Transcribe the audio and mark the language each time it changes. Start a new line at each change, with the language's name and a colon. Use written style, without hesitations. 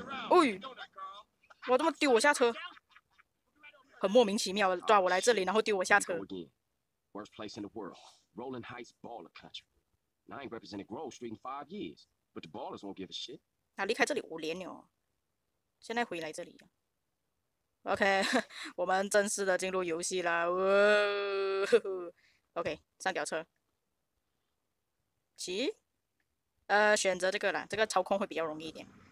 Chinese: 喂、哇，这么丢我下车，很莫名其妙的抓我来这里，然后丢我下车。
English: Worst place in the world, Rolling Heights Baller Country. I ain't represented Grove Street in 5 years, but the ballers won't give a shit.
Chinese: 那离开这里5年了，现在回来这里。OK，我们正式的进入游戏啦！ OK，上吊车，骑，选择这个啦，这个操控会比较容易一点。